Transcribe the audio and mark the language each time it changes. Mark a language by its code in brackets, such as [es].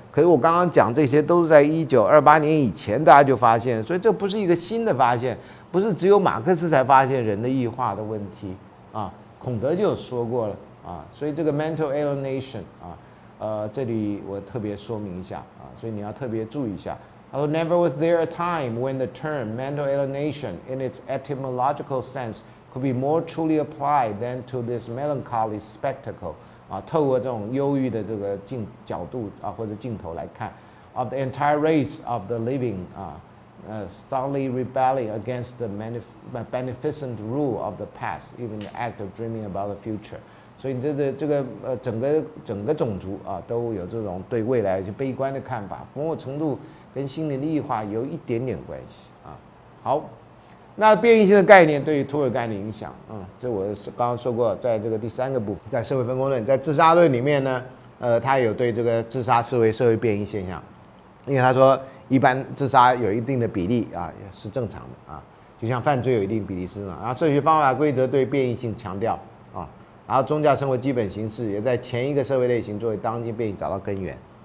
[zh] 可是我刚刚讲这些都是在1928年以前大家就发现，所以这不是一个新的发现，不是只有马克思才发现人的异化的问题啊，孔德就有说过了啊，所以这个 mental alienation 啊，这里我特别说明一下啊，所以你要特别注意一下。 Although never was there a time when the term mental alienation in its etymological sense could be more truly applied than to this melancholy spectacle. 啊，透过这种忧郁的这个角度啊或者镜头来看 [en] ，of the entire race of the living, stoutly rebelling against the beneficent rule of the past, even the act of dreaming about the future. [zh] 所以这个整个种族啊都有这种对未来一些悲观的看法，某种程度。跟心理的异化有一点点关系啊。好，那变异性的概念对于涂尔干的影响啊，这我刚刚说过，在这个第三个部分，在社会分工论，在自杀论里面呢，他有对这个自杀视为社会变异现象，因为他说一般自杀有一定的比例啊，也是正常的啊，就像犯罪有一定比例是嘛。然后社区方法规则对变异性强调啊，然后宗教生活基本形式也在前一个社会类型作为当今变异找到根源。